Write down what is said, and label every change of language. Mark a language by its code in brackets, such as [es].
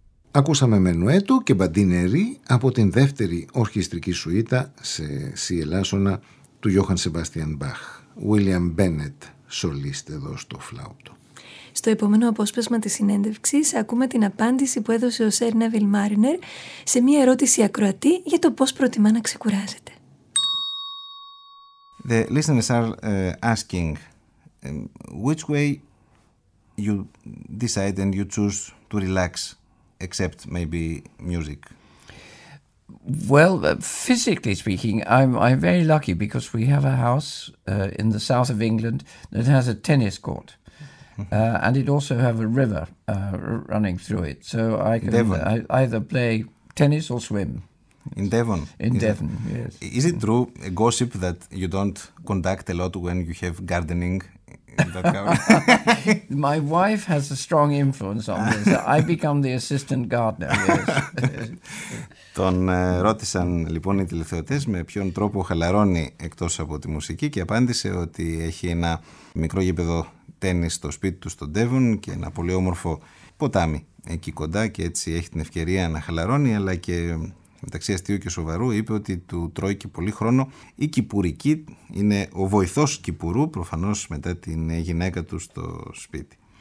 [el] Ακούσαμε μενουέτο και μπαντινερί από την δεύτερη ορχιστρική σουίτα σε σιελάσσονα του Johann Sebastian Bach. William Bennett, σολίστ εδώ στο φλάουτο. Στο επόμενο απόσπασμα της συνέντευξης ακούμε την απάντηση που έδωσε ο Σερ Νέβιλ Μάρινερ σε μια ερώτηση ακροατή για το πώς προτιμά να ξεκουράζεται. [en] The listeners are asking which way you decide and you choose to relax. Except maybe music. Well, physically speaking, I'm very lucky because we have a house in the south of England that has a tennis court. And it also have a river running through it. So I can either play tennis or swim. In Devon? In Devon, yes. Is it true, a gossip, that you don't conduct a lot when you have gardening in that My wife has a strong influence on this. I become the assistant gardener, yes. [el] Τον ρώτησαν λοιπόν οι τηλεθεατές με ποιον τρόπο χαλαρώνει εκτός από τη μουσική και απάντησε ότι έχει ένα μικρό γήπεδο τένις στο σπίτι του στον Ντέβον και ένα πολύ όμορφο ποτάμι εκεί κοντά και έτσι έχει την ευκαιρία να χαλαρώνει, αλλά και μεταξύ αστείου και σοβαρού είπε ότι του τρώει και πολύ χρόνο η Κυπουρική, είναι ο βοηθός Κυπουρού προφανώς μετά την γυναίκα του στο σπίτι.